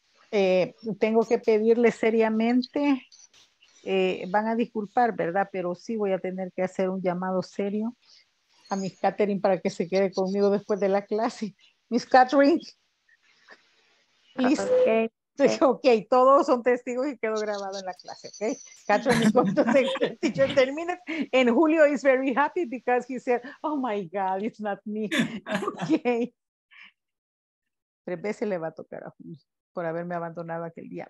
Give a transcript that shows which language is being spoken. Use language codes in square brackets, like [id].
[es] Tengo que pedirle seriamente, van a disculpar, ¿verdad? Pero sí voy a tener que hacer un llamado serio a Miss Catherine para que se quede conmigo después de la clase. Miss Catherine. [en] Okay. [es] Okay, todos son testigos y quedó grabado en la clase, okay? [en] Catherine, [es] cuando se teacher termine, [en] and Julio is very happy because he said, oh my God, it's not me. Okay. [es] Tres veces le va a tocar a Julio por haberme abandonado aquel día.